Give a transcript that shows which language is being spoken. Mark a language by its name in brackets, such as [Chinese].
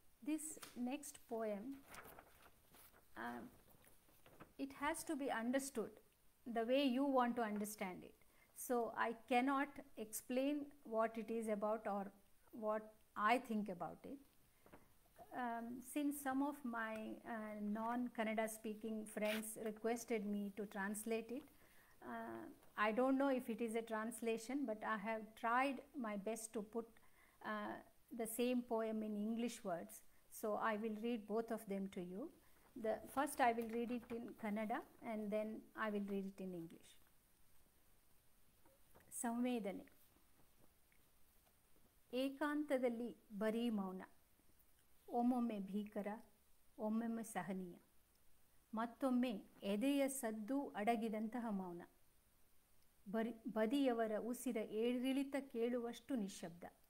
[English] This next poem, it has to be understood the way you want to understand it. So I cannot explain what it is about or what I think about it. Since some of my non-Kannada speaking friends requested me to translate it, I don't know if it is a translation, but I have tried my best to put the same poem in English words. So I will read both of them to you. First I will read it in Kannada and then I will read it in English. [Kannada] Samvedane. ಏಕಾಂತದಲ್ಲಿ ಬರೀ ಮೌನ, ಒಮ್ಮೊಮ್ಮೆ ಭೀಕರ, ಒಮ್ಮೊಮ್ಮೆ ಸಹನೀಯ, ಮತ್ತೊಮ್ಮೆ ಎದೆಯ ಸದ್ದು ಅಡಗಿದಂತಹ ಮೌನ. ಬದಿಯವರ ಉಸಿರ ಏರಿಳಿತ ಕೇಳುವಷ್ಟು ನಿಶ್ಶಬ್ದ.